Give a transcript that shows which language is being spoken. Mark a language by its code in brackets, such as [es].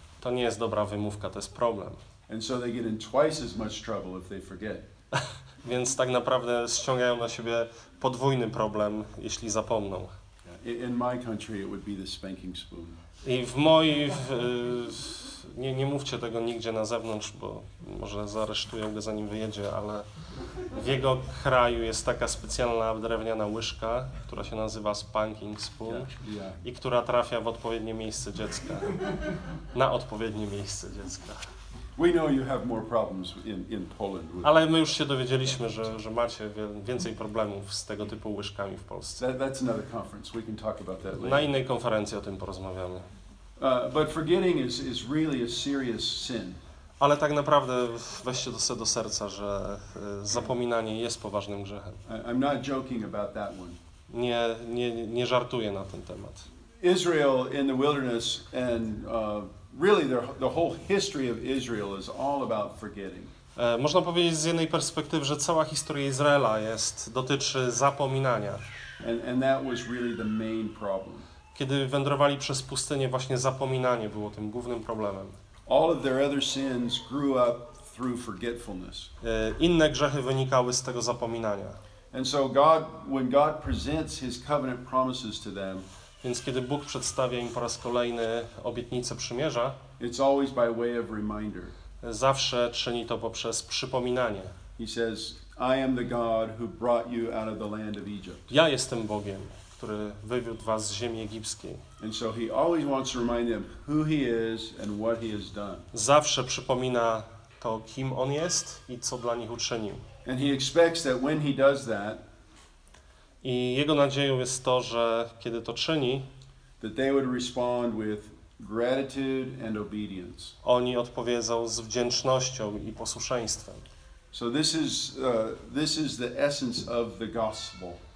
[pl] To nie jest dobra wymówka, to jest problem. [en] And so they get in twice as much trouble if they forget. [pl] Więc tak naprawdę ściągają na siebie podwójny problem, jeśli zapomną. [en] In my country it would be the spanking spoon. [pl] I w mojej nie mówcie tego nigdzie na zewnątrz, bo może zaaresztują go zanim wyjedzie, ale w jego kraju jest taka specjalna drewniana łyżka, która się nazywa spanking spoon i która trafia w odpowiednie miejsce dziecka. Na odpowiednie miejsce dziecka. [en] We know you have more problems in Poland. [pl] Ale my już się dowiedzieliśmy, że macie więcej problemów z tego typu łyżkami w Polsce. [en] That's another conference. We can talk about that later. [pl] Na innej konferencji o tym porozmawiamy. [en] But forgetting is really a serious sin. [pl] Ale tak naprawdę weźcie to sobie do serca, że zapominanie jest poważnym grzechem. [en] I'm not joking about that one. [pl] Nie żartuję na ten temat. [en] Israel in the wilderness and really the whole history of Israel is all about forgetting. [pl] Można powiedzieć z jednej perspektywy, że cała historia Izraela dotyczy zapominania. [en] And that was really the main problem. [pl] Kiedy wędrowali przez pustynię, właśnie zapominanie było tym głównym problemem. [en] All of their other sins grew up through forgetfulness. [pl] Inne grzechy wynikały z tego zapominania. [en] And so God, when God presents his covenant promises to them, [pl] więc kiedy Bóg przedstawia im po raz kolejny obietnicę przymierza, [en] it's always by way of reminder. [pl] Zawsze czyni to poprzez przypominanie. [en] He says, I am the God who brought you out of the land of Egypt. [pl] Ja jestem Bogiem, który wywiódł was z ziemi egipskiej. [en] And so he always wants to remind them who he is and what he has done. [pl] Zawsze przypomina to, kim on jest i co dla nich uczynił. [en] And he expects that when he does that, [pl] i jego nadzieją jest to, że kiedy to czyni, [en] that they would respond with gratitude and obedience. [pl] Oni odpowiedzą z wdzięcznością i posłuszeństwem. [en] So this is the essence of the gospel.